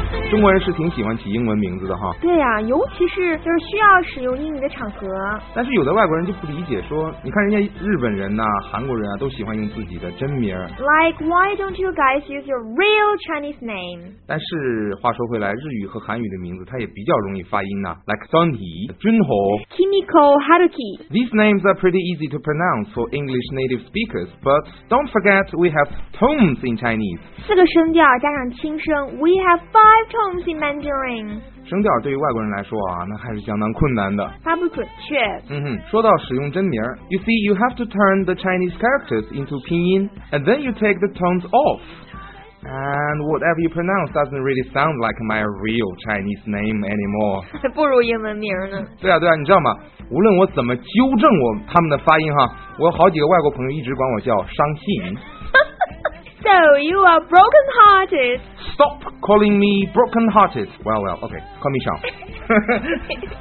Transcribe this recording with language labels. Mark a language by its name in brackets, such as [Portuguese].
[Chinese] 中国人是挺喜欢起英文名字的哈。对呀、啊，尤其是就是需要使用英语的场合。但是有的外国人就不理解，说你看人家日本人呐、韩国人啊，都喜欢用自己的真名。 [English] Like why don't you guys use your real Chinese name? [Chinese] 但是话说回来，日语和韩语的名字它也比较容易发音呐、啊、， [English] like [Chinese] Sunny、Junho、 [English] Kimiko、Haruki. These names are pretty easy to pronounce for English native speakers, but don't forget we have tones in Chinese. [Chinese] 四个声调加上轻声 [English] ，we have five tones. tones in Mandarin. [Chinese] 声调对于外国人来说啊，那还是相当困难的，发不准确。 [English] 嗯哼， [Chinese] 说到使用真名， [English] You see, you have to turn the Chinese characters into 拼音 and then you take the tones off. And whatever you pronounce doesn't really sound like my real Chinese name anymore. [Chinese] 不如英文名呢。对啊对啊，你知道吗，无论我怎么纠正我他们的发音哈，我有好几个外国朋友一直管我叫伤心。 [English] So you are broken hearted. Stop calling me broken hearted. Well, well, okay, call me Sean.